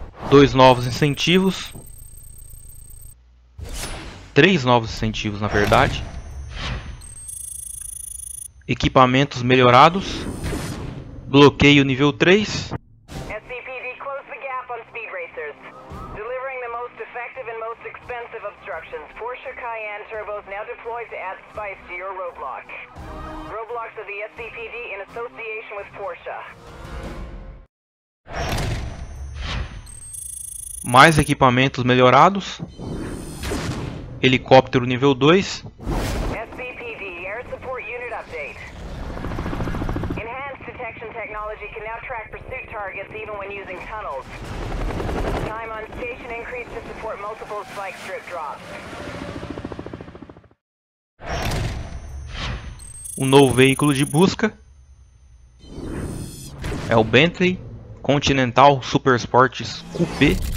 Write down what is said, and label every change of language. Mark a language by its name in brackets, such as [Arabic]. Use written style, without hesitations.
[Portuguese] Dois novos incentivos. Três novos incentivos, na verdade. Equipamentos melhorados. Bloqueio nível 3. [English] SCPD, close the gap on speed racers. Delivering the most effective and most expensive obstructions. Porsche Cayenne turbos now deployed to add spice to your roadblock. Roadblocks of the SCPD in association with Porsche. [Portuguese] Mais equipamentos melhorados. Helicóptero nível 2. [English] SCPD, Air Support Unit Update. Enhanced detection technology can now track pursuit targets even when using tunnels. Time on station increased to support multiple spike strip drops. [Portuguese] Um novo veículo de busca. É o Bentley Continental Super Sports Coupé.